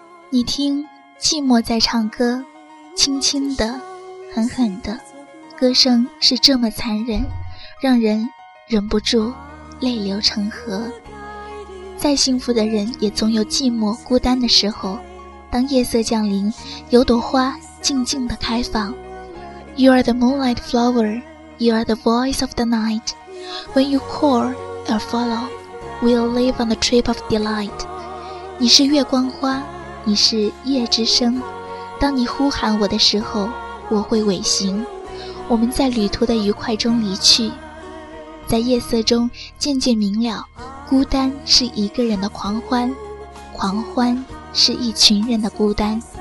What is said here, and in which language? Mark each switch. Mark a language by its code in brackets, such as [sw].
[zh] 你听，寂寞在唱歌，轻轻的，狠狠的，歌声是这么残忍，让人忍不住泪流成河。再幸福的人也总有寂寞孤单的时候，当夜色降临，有朵花静静地开放。 [en] You are the moonlight flower, you are the voice of the night. When you call, I'll follow, we'll live on a trip of delight. [zh] 你是月光花，你是夜之声，当你呼喊我的时候，我会尾行，我们在旅途的愉快中离去。在夜色中渐渐明了，孤单是一个人的狂欢，狂欢是一群人的孤单。